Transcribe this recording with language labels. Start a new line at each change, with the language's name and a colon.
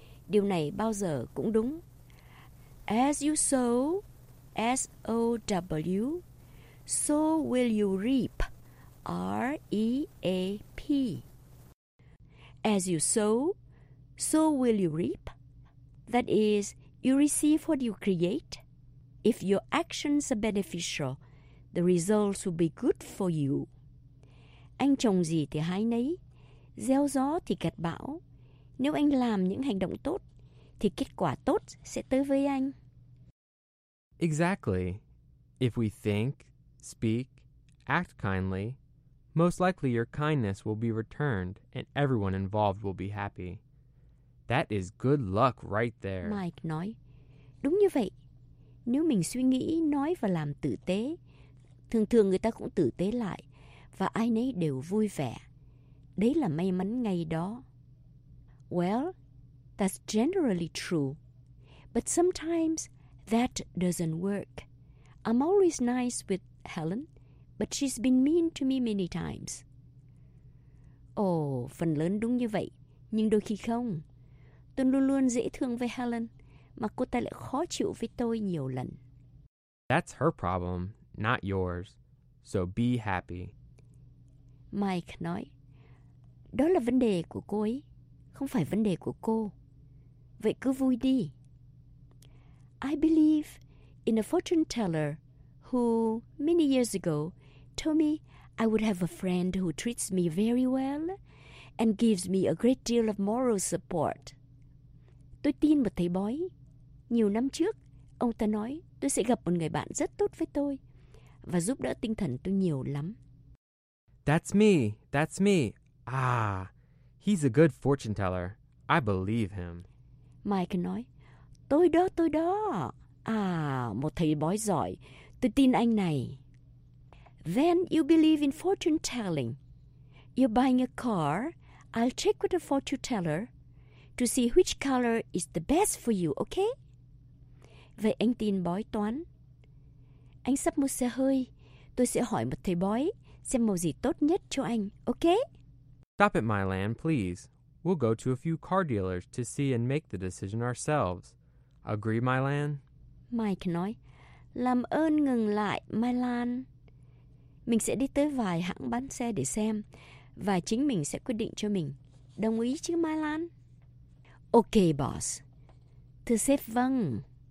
Vietnamese: Điều này bao giờ cũng đúng.
English: As you sow, S-O-W, so will you reap, R-E-A-P. As you sow, so will you reap. That is, you receive what you create. If your actions are beneficial, the results will be good for you.
Vietnamese: Anh trồng gì thì hái nấy, gieo gió thì gặt bão. Nếu anh làm những hành động tốt, thì kết quả tốt sẽ tới với anh.
English: Exactly. If we think, speak, act kindly, most likely your kindness will be returned and everyone involved will be happy. That is good luck right there.
Vietnamese: Mike nói, đúng như vậy. Nếu mình suy nghĩ, nói và làm tử tế, thường thường người ta cũng tử tế lại và ai nấy đều vui vẻ. Đấy là may mắn ngay đó.
English: Well, that's generally true. But sometimes that doesn't work. I'm always nice with Helen, but she's been mean to me many times.
Vietnamese: Oh, phần lớn đúng như vậy, nhưng đôi khi không. Tôi luôn luôn dễ thương với Helen, mà cô ta lại khó chịu với tôi nhiều lần.
English: That's her problem, not yours. So be happy.
Vietnamese: Mike nói, đó là vấn đề của cô ấy, không phải vấn đề của cô. Vậy cứ vui đi.
English: I believe in a fortune teller who, many years ago, told me I would have a friend who treats me very well and gives me a great deal of moral support.
Vietnamese: Tôi tin một thầy bói. Nhiều năm trước, ông ta nói tôi sẽ gặp một người bạn rất tốt với tôi và giúp đỡ tinh thần tôi nhiều lắm.
English: That's me. Ah, he's a good fortune teller. I believe him.
Vietnamese: Mike nói, tôi đó. À, một thầy bói giỏi. Tôi tin anh này.
English: Then you believe in fortune telling. You're buying a car. I'll check with a fortune teller to see which color is the best for you, okay?
Vietnamese: Vậy anh tin bói toán. Anh sắp mua xe hơi. Tôi sẽ hỏi một thầy bói xem màu gì tốt nhất cho anh, okay?
English: Stop it, Mylan, please. We'll go to a few car dealers to see and make the decision ourselves. Agree, Mylan?
Vietnamese: Mike nói, làm ơn ngừng lại, Mylan. Mình sẽ đi tới vài hãng bán xe để xem, và chính mình sẽ quyết định cho mình. Đồng ý chứ, Mylan?
English: Okay, boss.
Vietnamese: Thưa sếp, vâng.